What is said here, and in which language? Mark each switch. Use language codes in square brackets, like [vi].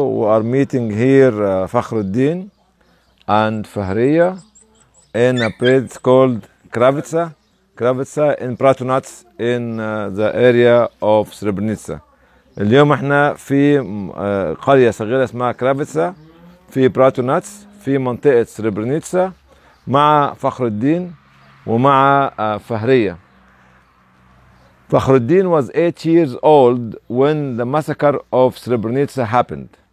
[en] We are meeting here فخر الدين and فهرية in a place called Kravitsa. Kravitsa in Pratunats in the area of Srebrenica. [ar] اليوم احنا في قرية صغيرة اسمها Kravitsa في Pratunats في منطقة Srebrenica مع فخر الدين ومع فهرية. [en] Fakhruddin was 8 years old when the massacre of Srebrenica happened.